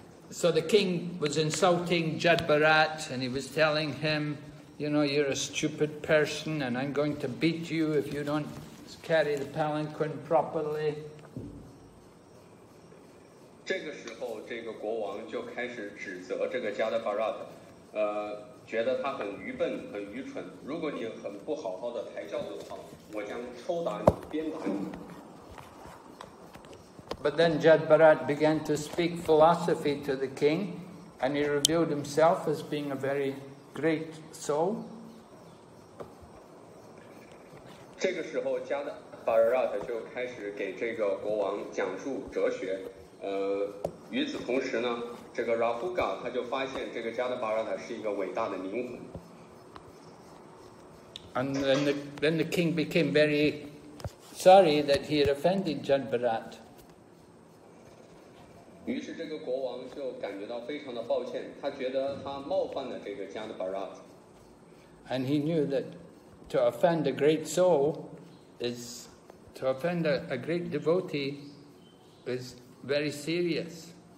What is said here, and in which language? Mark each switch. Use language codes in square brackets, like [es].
[en] So the king was insulting Jad Bharat and he was telling him, you know, you're a stupid person and I'm going to beat you if you don't carry the palanquin properly. [zh] 这个时候，这个国王就开始指责这个加德巴拉特，觉得他很愚笨、很愚蠢。如果你很不好好的抬轿子的话，我将抽打你、鞭打你。 [en] But then Jad Bharat began to speak philosophy to the king, and he revealed himself as being a very great soul. [zh] 这个时候, Jad Bharat 就开始给这个国王讲述哲学。与此同时呢, 这个 Rahuga 他就发现这个 Jad Bharat 是一个伟大的灵魂。 [en] And then the king became very sorry that he had offended Jad Bharat. [zh] 于是这个国王就感觉到非常的抱歉，他觉得他冒犯了这个加德巴拉特。 [en] And he knew that to offend a great soul is to offend a great devotee is very serious.